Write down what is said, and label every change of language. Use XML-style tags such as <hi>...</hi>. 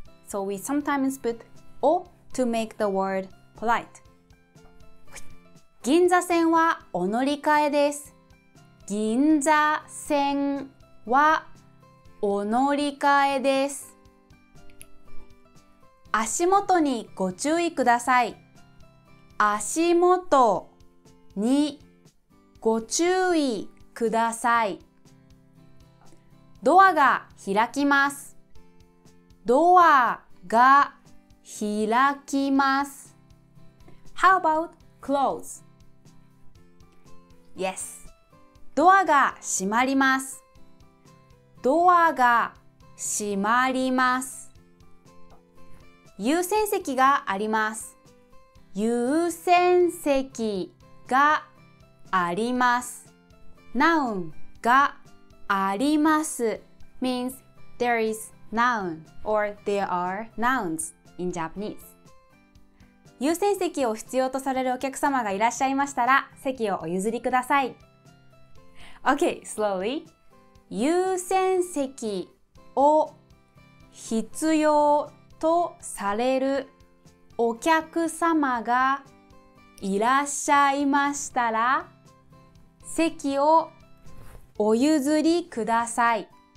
<en>So we sometimes put お to make the word polite.</en> <ja>銀座線はお乗り換えです。銀座線はお乗り換えです。足元にご注意ください。足元にご注意ください。ドアが開きます。ドアが開きます。</ja> <en>How about close? Yes.</en> <ja>ドアが閉まります。ドアが閉まります。優先席があります。優先席があります。</ja> <en>Noun</en> <ja>があります</ja> <en>means there is noun or there are nouns in Japanese.</en> <ja>優先席を必要とされるお客様がいらっしゃいましたら、席をお譲りください。</ja> <en>Okay, slowly.</en> <ja>優先席を必要とされるお客様がいらっしゃいましたら、席をお譲りください。</ja>